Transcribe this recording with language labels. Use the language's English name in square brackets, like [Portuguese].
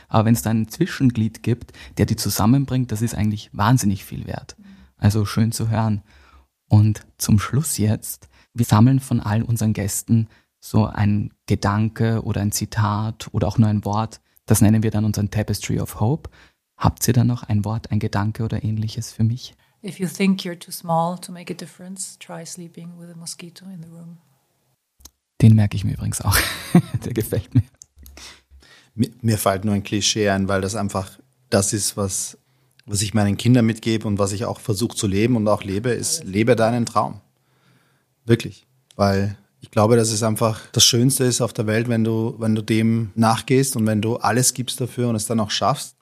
[German] Aber wenn es da ein Zwischenglied gibt, der die zusammenbringt, das ist eigentlich wahnsinnig viel wert. Also schön zu hören. Und zum Schluss jetzt, wir sammeln von all unseren Gästen so ein Gedanke oder ein Zitat oder auch nur ein Wort. Das nennen wir dann unseren Tapestry of Hope. Habt ihr da noch ein Wort, ein Gedanke oder ähnliches für mich? [English] If you think you're too small to make a difference, try sleeping with a mosquito in the room. [German] Den merke ich mir übrigens auch. Der gefällt mir. Mir fällt nur ein Klischee ein, weil das einfach das ist, was ich meinen Kindern mitgebe und was ich auch versuche zu leben und auch lebe, ist, lebe deinen Traum. Wirklich. Weil ich glaube, dass es einfach das Schönste ist auf der Welt, wenn du dem nachgehst und wenn du alles gibst dafür und es dann auch schaffst.